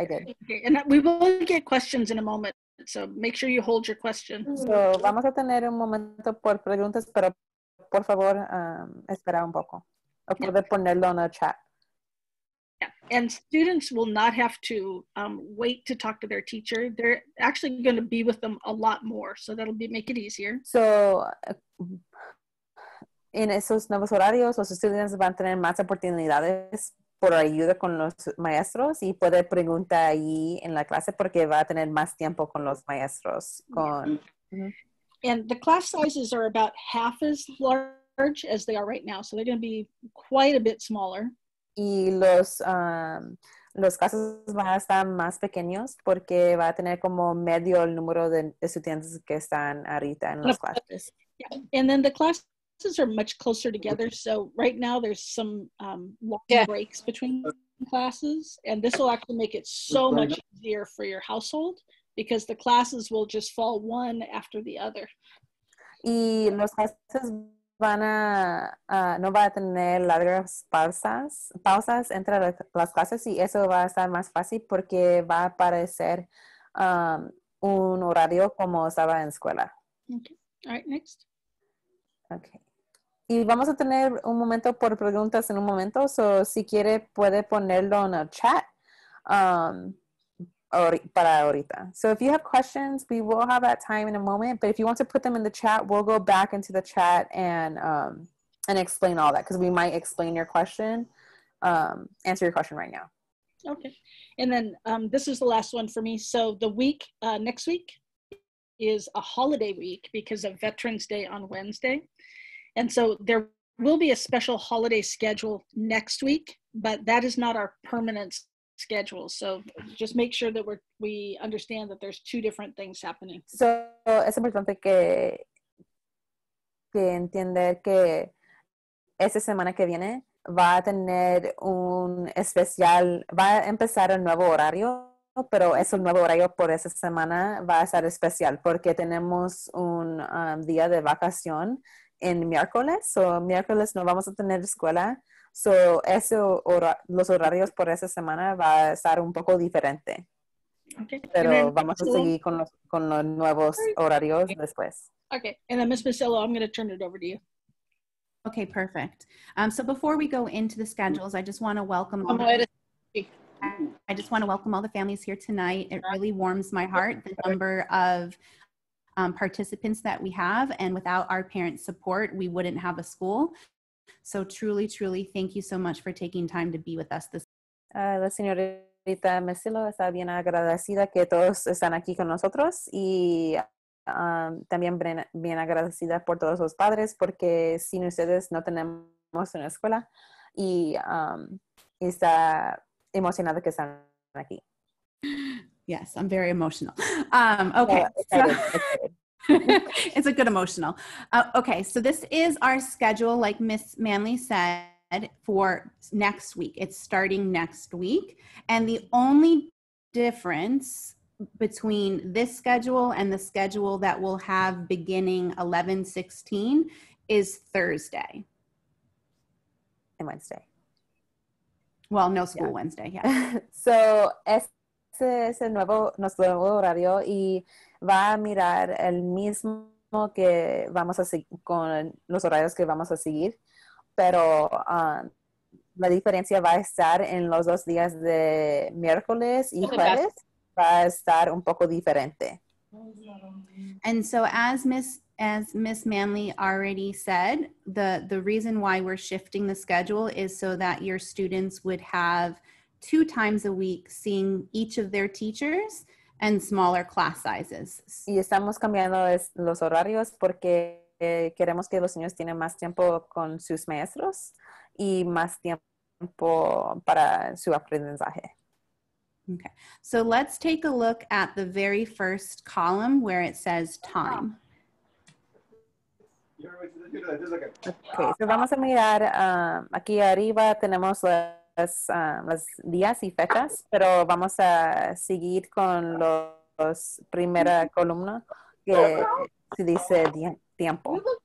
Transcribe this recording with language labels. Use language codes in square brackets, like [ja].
[en] Okay, and we will get questions in a moment. So make sure you hold your question. [es] So vamos a tener un momento por preguntas, pero por favor, espera un poco. O puede ponerlo en el chat. [en] Yeah. And students will not have to wait to talk to their teacher. They're actually going to be with them a lot more. So that'll be make it easier. [es] So en esos nuevos horarios, los estudiantes van a tener más oportunidades por ayuda con los maestros y puede preguntar ahí en la clase porque va a tener más tiempo con los maestros. Con, [en] And the class sizes are about half as large as they are right now, so they're going to be quite a bit smaller. [es] Y los clases van a estar más pequeños porque va a tener como medio el número de estudiantes que están ahorita en las clases. [en] And then the class classes are much closer together, so right now there's some long breaks between classes, and this will actually make it so much easier for your household because the classes will just fall one after the other. [es] Y los clases van a no va a tener largas pausas entre las clases, y eso va a estar más fácil porque va a parecer un horario como estaba en escuela. [en] Okay. All right, next. Okay. [es] Y vamos a tener un momento por preguntas en un momento. So, si quiere, puede ponerlo en el chat para ahorita. [en] So, if you have questions, we will have that time in a moment. But if you want to put them in the chat, we'll go back into the chat and explain all that. Because we might explain your question, answer your question right now. Okay. And then this is the last one for me. So, the week, next week is a holiday week because of Veterans Day on Wednesday. And so there will be a special holiday schedule next week, but that is not our permanent schedule. So just make sure that we understand that there's two different things happening. [es] So es importante que entender que esta semana que viene va a tener un especial, va a empezar un nuevo horario, pero es un nuevo horario por esa semana va a ser especial porque tenemos un día de vacación en miércoles, o miércoles no vamos a tener escuela, so eso los horarios por esa semana va a estar un poco diferente. [en] Okay. [es] Pero [en] then, [es] vamos a seguir con los nuevos horarios después. [en] Okay, and then Ms. Mesilo, I'm going to turn it over to you. Okay, perfect. So before we go into the schedules, I just want to welcome all the families here tonight. It really warms my heart, the number of participants that we have, and without our parents' support, we wouldn't have a school. So truly, truly, thank you so much for taking time to be with us this. [es] La señorita Mesilo está bien agradecida que todos están aquí con nosotros, y también bien agradecida por todos los padres, porque sin ustedes no tenemos una escuela, y está emocionada que están aquí. [en] Yes, I'm very emotional. Okay. So, it's a good emotional. Okay, so this is our schedule, like Ms. Manley said, for next week. It's starting next week. And the only difference between this schedule and the schedule that we'll have beginning 11/16 is Thursday. And Wednesday. Well, no school Wednesday, yeah. [es] So, ese es el nuestro nuevo horario, y va a mirar el mismo que vamos a seguir con los horarios que vamos a seguir, pero la diferencia va a estar en los dos días de miércoles y jueves, va a estar un poco diferente. [en] And so as Miss Manley already said, the reason why we're shifting the schedule is so that your students would have two times a week seeing each of their teachers and smaller class sizes. [es] Y estamos cambiando los horarios porque queremos que los niños tienen más tiempo con sus maestros y más tiempo para su aprendizaje. [en] Okay, so let's take a look at the very first column where it says time. [es] Okay, so vamos a mirar aquí arriba tenemos las días y fechas, pero vamos a seguir con los primera columna que se dice tiempo.